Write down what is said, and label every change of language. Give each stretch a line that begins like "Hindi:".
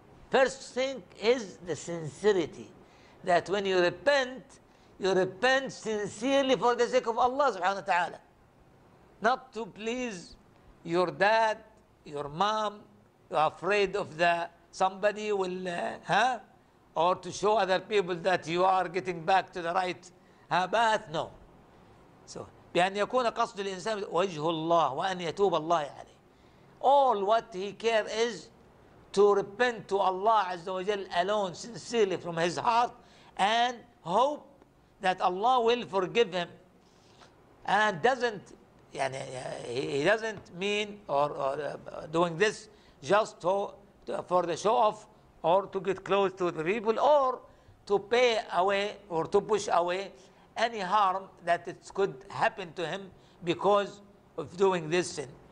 English: First thing is the sincerity, that when you repent sincerely for the sake of Allah subhanahu wa ta'ala. Not to please your dad, your mom, you're afraid of the somebody will, or to show other people that you are getting back to the right path, no.
Arabic: So, بأن يكون قصد الإنسان وجه الله وأن يتوب الله عليه.
English: All what he care is to repent to Allah Azza wa Jal alone sincerely from his heart and hope that Allah will forgive him. And doesn't, يعني, he doesn't mean or doing this just to for the show off or to get close to the people or to pay away or to push away any harm that it could happen to him because of doing this sin.